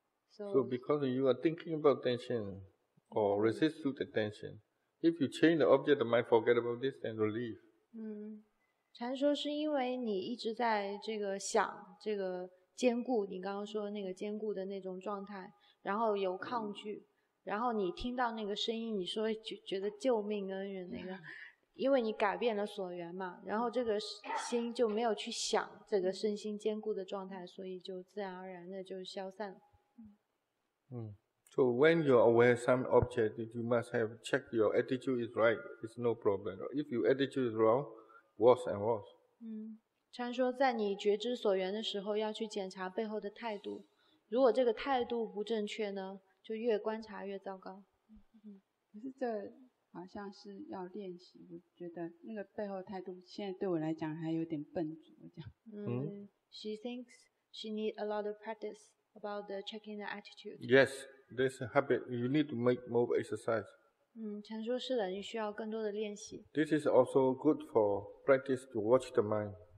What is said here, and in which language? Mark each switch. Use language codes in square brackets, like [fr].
[en] So because you are thinking about tension or resist to the tension, if you change the object, the mind forget about this and relief. [zh] 禅说是因为你一直在这个想这个坚固，你刚刚说那个坚固的那种状态，然后有抗拒，然后你听到那个声音，你说觉得救命恩人那个，因为你改变了所缘嘛，然后这个心就没有去想这个身心坚固的状态，所以就自然而然的就消散了。 [en] So when you're aware of some object, you must have check your attitude is right, it's no problem. If your attitude is wrong,Worse and worse. [zh] 禅说在你觉知所缘的时候要去检查背后的态度，如果这个态度不正确呢，就越观察越糟糕。可是这好像是要练习，我觉得那个背后态度现在对我来讲还有点笨拙。 [en] She thinks she needs a lot of practice about the checking the attitude. Yes, there's a habit. You need to make more exercise. [zh] 禅说是的，你需要更多的练习。 [en] This is also good for practice to watch the mind.